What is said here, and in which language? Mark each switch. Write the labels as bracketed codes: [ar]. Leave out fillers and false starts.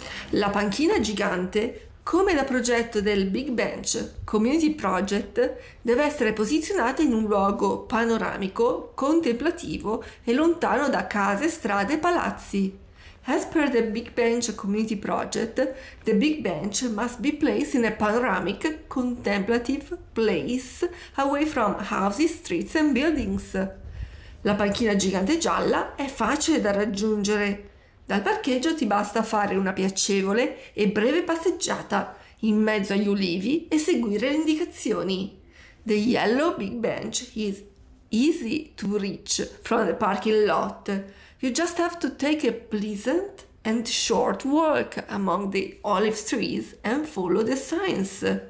[it] La panchina gigante, come da progetto del Big Bench Community Project, deve essere posizionata in un luogo panoramico, contemplativo e lontano da case, strade e palazzi. [en] As per the Big Bench Community Project, the Big Bench must be placed in a panoramic, contemplative place away from houses, streets and buildings. [it] La panchina gigante gialla è facile da raggiungere. Dal parcheggio ti basta fare una piacevole e breve passeggiata in mezzo agli ulivi e seguire le indicazioni. [en] The yellow big bench is easy to reach from the parking lot. You just have to take a pleasant and short walk among the olive trees and follow the signs.